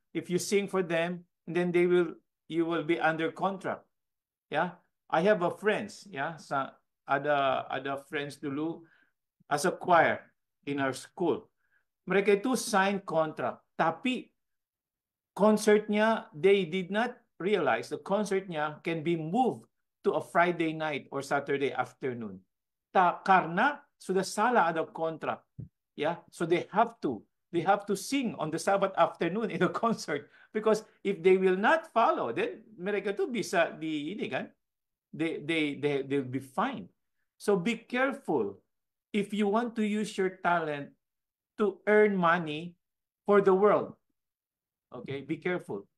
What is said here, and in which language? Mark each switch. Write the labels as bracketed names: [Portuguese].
[English] If you sing for them, then you will be under contract, yeah. I have a friends, yeah, other friends dulu as a choir in our school. [Indonesian] Mereka itu [English] sign contract, tapi concert niya, they did not realize the concert niya can be moved to a Friday night or Saturday afternoon. [Indonesian] Karena sudah salah ada kontrak, yeah. [English] So they have to sing on the Sabbath afternoon in a concert, because if they will not follow, then [Indonesian] mereka tu bisa di ini kan, [English] they'll be fined. So be careful if you want to use your talent to earn money for the world. Okay, be careful.